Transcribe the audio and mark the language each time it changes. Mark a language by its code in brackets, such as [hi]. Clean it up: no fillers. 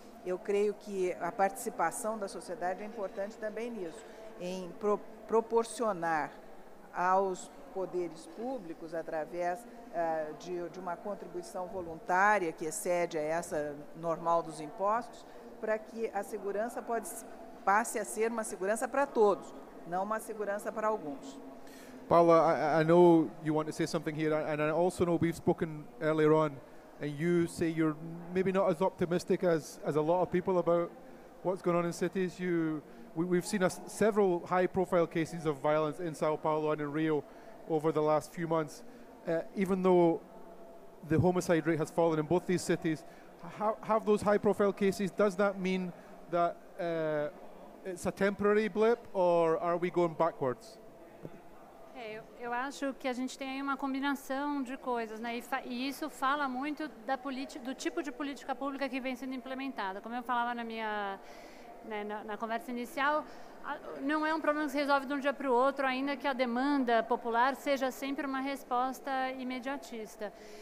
[pt] Eu creio que a participação da sociedade é importante também nisso, em proporcionar aos poderes públicos, através de uma contribuição voluntária que excede a essa normal dos impostos, para que a segurança passe a ser uma segurança para todos, não uma segurança para alguns. [en] Paula, I know you want to say something here, and I also know we've spoken earlier on, and you say you're maybe not as optimistic as a lot of people about what's going on in cities. We've seen several high-profile cases of violence in São Paulo and in Rio over the last few months. Even though the homicide rate has fallen in both these cities, how have those high-profile cases, does that mean that it's a temporary blip, or are we going backwards? [pt] Eu acho que a gente tem aí uma combinação de coisas, né? E isso fala muito da do tipo de política pública que vem sendo implementada. Como eu falava na minha, né, na conversa inicial, não é um problema que se resolve de um dia para o outro, ainda que a demanda popular seja sempre uma resposta imediatista.